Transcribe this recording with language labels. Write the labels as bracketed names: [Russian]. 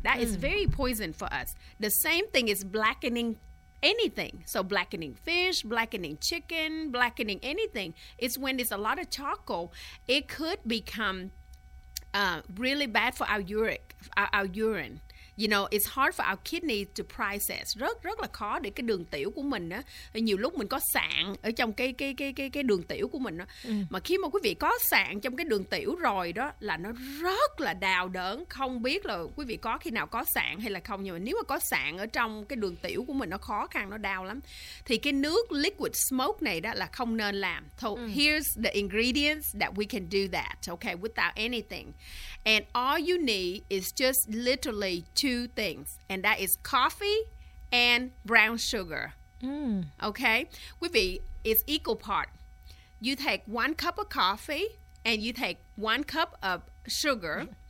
[English] That is very poison for us. The same thing is blackening anything. So blackening fish, blackening chicken, blackening anything. It's when there's a lot of charcoal, it could become really bad for our urine. You know, it's hard for our kidneys to process. [Vietnamese] Rất rất là khó để cái đường tiểu của mình á. Nhiều lúc mình có sạn ở trong cái đường tiểu của mình á. Mà khi mà quý vị có sạn trong cái đường tiểu rồi đó là nó rất là đau đớn. Không biết là quý vị có khi nào có sạn hay là không. Nhưng mà nếu mà có sạn ở trong cái đường tiểu của mình nó khó khăn, nó đau lắm. Thì cái nước liquid smoke này đó là không nên làm. [English] So here's the ingredients that we can do that, okay, without anything. And all you need is just literally two things, and that is coffee and brown sugar. Okay, [Vietnamese] quý vị, [English] it's equal part. You take one cup of coffee and you take one cup of sugar.